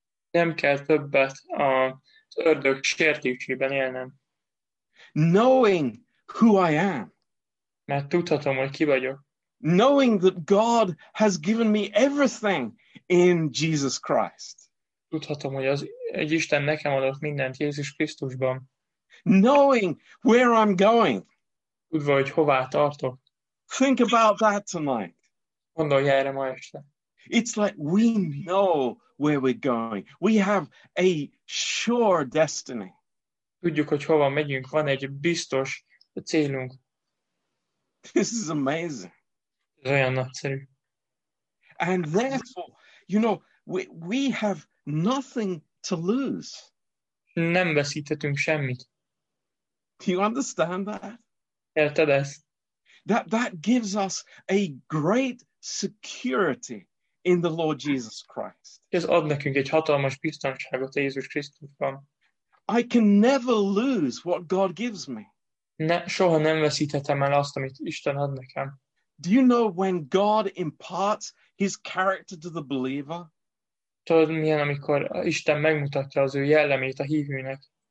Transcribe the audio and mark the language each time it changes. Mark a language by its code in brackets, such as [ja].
[hu] Nem kell többet az ördög sértésében élnem. [en] Knowing who I am. [hu] Mert tudhatom, hogy ki vagyok. [en] Knowing that God has given me everything in Jesus Christ. [hu] Tudhatom, hogy az egy Isten nekem adott mindent Jézus Krisztusban. [en] Knowing where I'm going. [hu] Tudva, hogy hová tartok. [en] Think about that tonight. [hu] Gondolj erre ma este. [en] It's like we know where we're going. We have a sure destiny. [hu] Tudjuk, hogy hova megyünk. Van egy biztos célunk. [en] This is amazing. [hu] Ez olyan nagyszerű. [en] And therefore, you know, we have nothing to lose. [hu] Nem veszíthetünk semmit. [en] Do you understand that? [hu] Érted ezt? [en] That gives us a great security in the Lord Jesus Christ. [hu] Ez ad nekünk egy hatalmas biztonságot Jézus Krisztusban. [en] I can never lose what God gives me. [hu] Soha nem veszíthetem el azt, amit Isten ad nekem. [en] Do you know when God imparts his character to the believer? [hu] Tudod, milyen, amikor Isten megmutatja az ő jellemét a hívőnek.